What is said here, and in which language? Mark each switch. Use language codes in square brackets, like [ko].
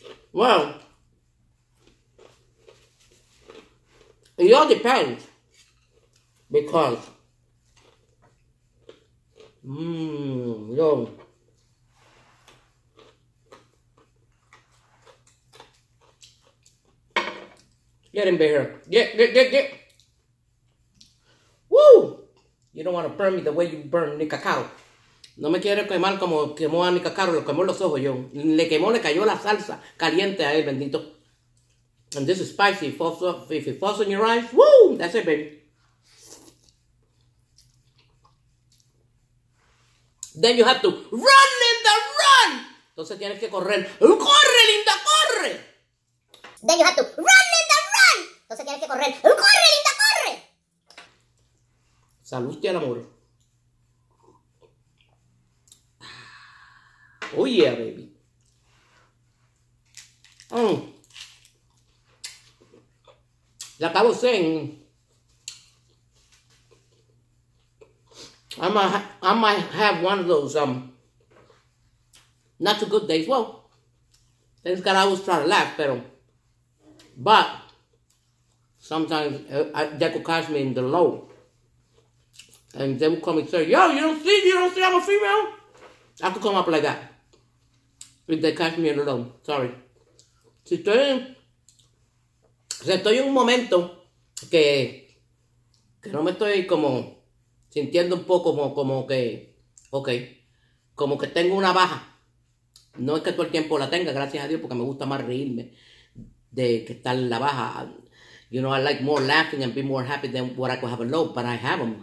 [en] Well, it all depends, because, yo, get in here, get, woo, you don't want to burn me the way you burn Nick Cacao. [es] No me quiere quemar como quemó a mi cacaro, lo quemó los ojos yo. Le cayó la salsa caliente a él, bendito. [en] And this is spicy. If it falls on your eyes, woo, that's it, baby. Then you have to run, Linda, run. [es] Entonces tienes que correr. ¡Corre, Linda, corre! [en] Then you have to run, Linda, run. [es] Entonces tienes que correr. ¡Corre, Linda, corre! Salud y el amor. [en] Oh yeah, baby. Like I was saying, I might have one of those not too good days. Well, thanks God I always try to laugh, but sometimes they could catch me in the low, and they would come and say, "Yo, you don't see, I'm a female." I could come up like that. If they catch me alone, sorry. [es] Si estoy en un momento que no me estoy como sintiendo un poco como que tengo una baja. No es que todo el tiempo la tenga, gracias a Dios, porque me gusta más reírme de que estar en la baja. [en] You know, I like more laughing and be more happy than what I could have a loaf, but I have them.